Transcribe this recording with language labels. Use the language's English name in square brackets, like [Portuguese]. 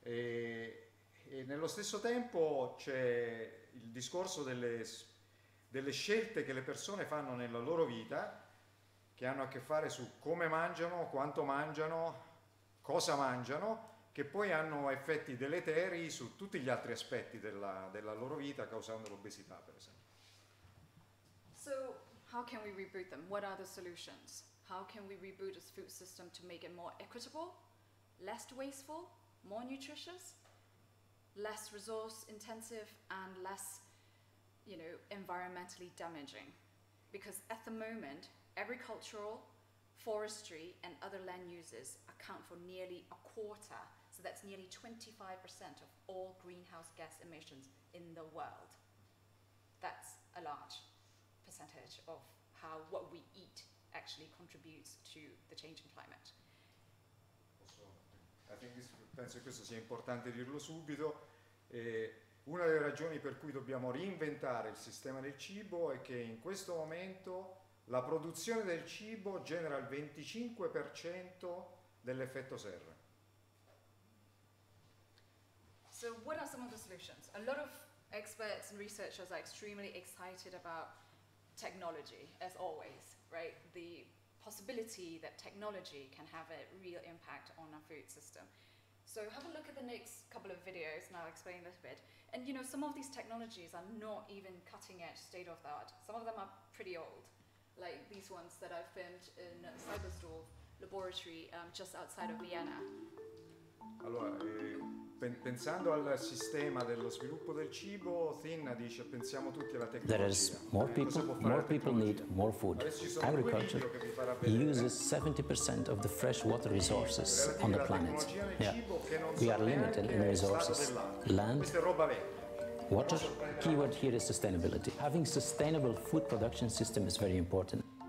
[Italian] E nello stesso tempo c'è il discorso delle scelte che le persone fanno nella loro vita, che hanno a che fare su come mangiano, quanto mangiano, cosa mangiano, che poi hanno effetti deleteri su tutti gli altri aspetti della loro vita, causando l'obesità, per esempio. [English] So, how can we reboot them? What are the solutions? How can we reboot this food system to make it more equitable, less wasteful, more nutritious? less resource intensive and less, you know, environmentally damaging. Because at the moment, agricultural, forestry and other land uses account for nearly a quarter, so that's nearly 25% of all greenhouse gas emissions in the world. That's a large percentage of how what we eat actually contributes to the changing climate. Also, I think this, [Italian] penso questo sia importante dirlo subito. Una delle ragioni per cui dobbiamo reinventare il sistema del cibo è che in questo momento la produzione del cibo genera il 25% dell'effetto serra. [English] So what are some of the solutions? A lot of experts and researchers are extremely excited about technology, as always, right? The possibility that technology can have a real impact on our food system. So have a look at the next couple of videos and I'll explain this a bit. And you know, some of these technologies are not even cutting edge, state of the art. Some of them are pretty old, like these ones that I filmed in Cyberstorf laboratory just outside of Vienna. [Italian] Allora, pensando al sistema dello sviluppo del cibo, Thinna dice, pensiamo tutti alla tecnologia. [English] There is more people need more food. Agriculture uses 70% of the fresh water resources on the planet. Yeah. We are limited in resources. Land, water, keyword here is sustainability. Having sustainable food production system is very important.